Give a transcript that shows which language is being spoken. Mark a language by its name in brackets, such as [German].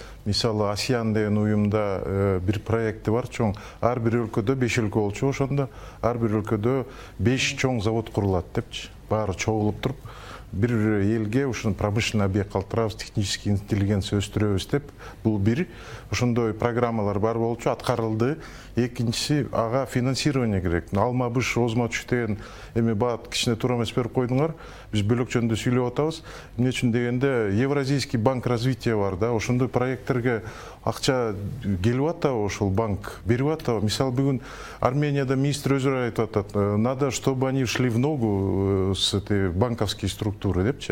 [Kyrgyz] Мисалы АСЕАН деген уюмда бир проекти бар чоң. Ар бир өлкөдө 5 өлкө болчу, ошондо ар бир өлкөдө 5 чоң завод курулат депчи. Баары чогулуп туруп бир элге ушуну промышленный объект калтырабыз, технический интеллигенция өстүрөбүз деп. Бул бир ошондой программалар бар болчу, аткарылды. Экинчиси ага финансирование керек. Алма быш озма түш деген эми баат кичине туура эмес берип койдуңар. Биз бөлөк жөнүндө сүйлөп атабыз. Эмне үчүн дегенде Евразийский банк развития бар да, ошондой проекттерге акча келип атабы, ошол банк берип атабы. Мисалы бүгүн Арменияда министр өзүрө айтып атат: [Russian] надо чтобы они шли в ногу с этой банковской структурой [Kyrgyz] депчи.